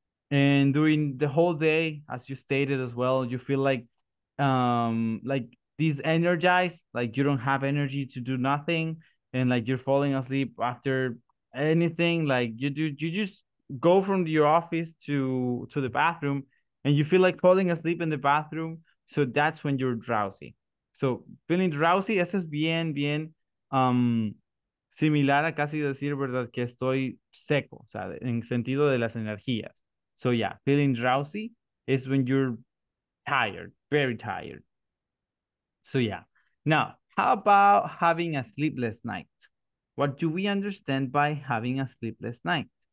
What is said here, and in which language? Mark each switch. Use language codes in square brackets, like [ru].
[en] And during the whole day, as you stated as well, you feel like disenergized, like you don't have energy to do nothing, and like you're falling asleep after anything. Like you just go from your office to the bathroom, and you feel like falling asleep in the bathroom. So that's when you're drowsy. So feeling drowsy, [es] eso es bien, bien, similar a casi decir, verdad, que estoy seco, o sea, en sentido de las energías. [en] So yeah, feeling drowsy is when you're tired, very tired. So yeah. Now, how about having a sleepless night? What do we understand by having a sleepless night?